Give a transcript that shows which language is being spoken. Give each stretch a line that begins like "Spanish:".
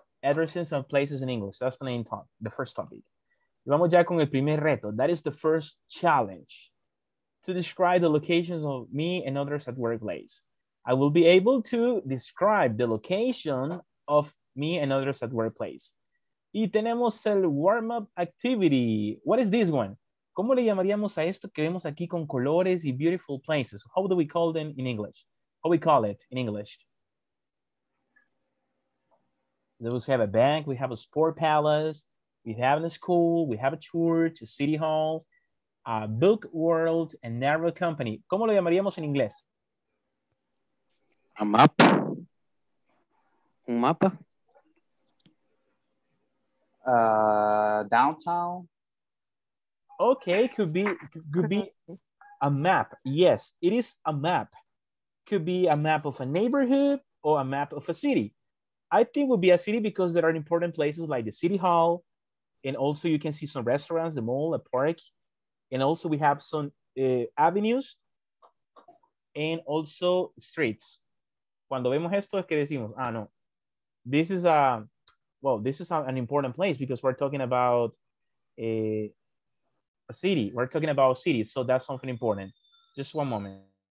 English: Addresses and places in English. That's the main topic, the first topic.
Spanish: Vamos ya con el primer reto.
English: That is the first challenge. To describe the locations of me and others at workplace. I will be able to describe the location of me and others at workplace.
Spanish: Y tenemos el
English: warm-up activity. What is this one?
Spanish: ¿Cómo le llamaríamos a esto que vemos aquí con colores y
English: beautiful places? How do we call them in English? How we call it in English? We have a bank, we have a sport palace, we have a school, we have a church, a city hall, a book world, a narrow company.
Spanish: ¿Cómo lo llamaríamos en inglés?
English: A map.
Spanish: Un mapa.
English: Downtown. Okay, could be a map. Yes, it is a map. Could be a map of a neighborhood or a map of a city. I think it would be a city because there are important places like the city hall. And also you can see some restaurants, the mall, a park. And also we have some avenues and also streets.
Spanish: Cuando vemos esto es que decimos, ah, no.
English: This is a, well, this is an important place because we're talking about a city, we're talking about cities, so that's something important. Just one moment.